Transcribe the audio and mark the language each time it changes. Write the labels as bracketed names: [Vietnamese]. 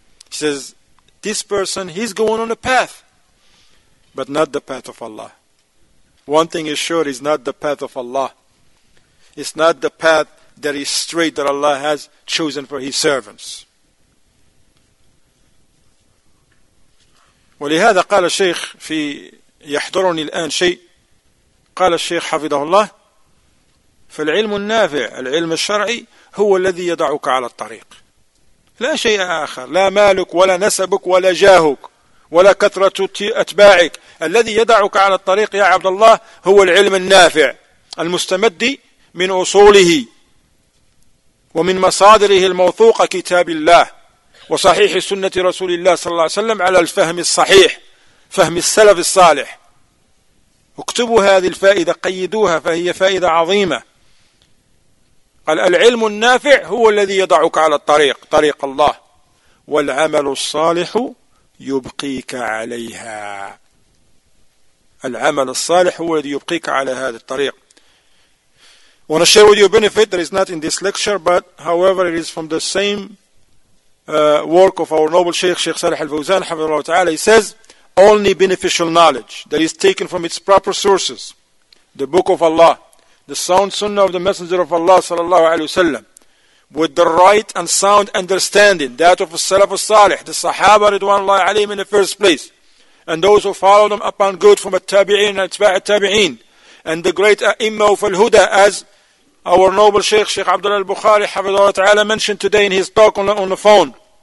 [English] He says, this person, he's going on a path, but not the path of Allah. One thing is sure, it's not the path of Allah. It's not the path that is straight that Allah has chosen for His servants. [Arabic] ولهذا قال الشيخ في يحضرني الآن شيء. قال الشيخ حفظه الله: فالعلم النافع، العلم الشرعي، هو الذي يضعك على الطريق. لا شيء آخر، لا مالك ولا نسبك ولا جاهك ولا كثرة أتباعك. الذي يضعك على الطريق يا عبد الله هو العلم النافع المستمد من أصوله ومن مصادره الموثوقة كتاب الله وصحيح سنة رسول الله صلى الله عليه وسلم على الفهم الصحيح، فهم السلف الصالح. اكتبوا هذه الفائدة، قيدوها، فهي فائدة عظيمة. قال: العلم النافع هو الذي يضعك على الطريق، طريق الله، والعمل الصالح يبقيك عليها. العمل الصالح هو الذي يبقيك على هذا الطريق. [English] I want to share with you a benefit that is not in this lecture, but however it is from the same work of our noble Sheikh, Sheikh Salih al-Fawzan, Hafizahullah ta'ala. He says, only beneficial knowledge that is taken from its proper sources, the Book of Allah, the sound Sunnah of the Messenger of Allah sallallahu alayhi wa sallam, with the right and sound understanding, that of Salaf al-Salih, the Sahaba ridwanullahi alayhim in the first place, and those who followed them upon good from at-tabi'in and atba' at-tabi'in, and the great A'imma of Al-Huda, as our noble Sheikh, Sheikh Abdullah Al-Bukhari, Hafizahullah ta'ala, mentioned today in his talk on the phone.